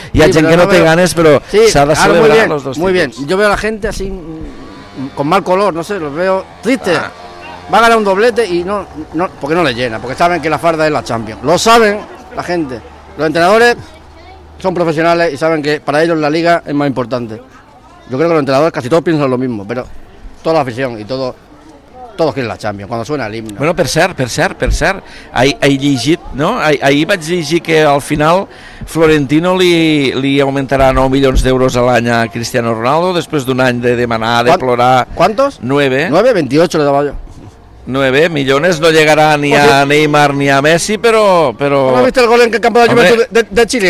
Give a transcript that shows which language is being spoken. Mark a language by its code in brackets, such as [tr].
[ca] Hi ha gent que no té ganes, però s'ha de celebrar los dos títols. [es] Muy bien, yo veo a la gente así con mal color, no sé, los veo tristes. Va a ganar un doblete y no, porque no le llena, porque saben que la farda es la Champions. Lo saben la gente. Los entrenadores son profesionales y saben que para ellos la liga es más importante. Yo creo que los entrenadores casi todos piensan lo mismo, pero toda la afición y todos quieren la Champions cuando suena el himno. [ca] Bueno, per cert, ahí llegit, ¿no? Ahí vaig llegir que al final Florentino li augmentarà 9 milions d'euros a l'any a Cristiano Ronaldo després d'un any de demanar, de plorar. [es] ¿Cuántos? 9. 9, 28 le daba yo. 9 millones no llegará ni a Neymar ni a Messi, pero ¿no has visto el gol en el campo de Juventus de Chile?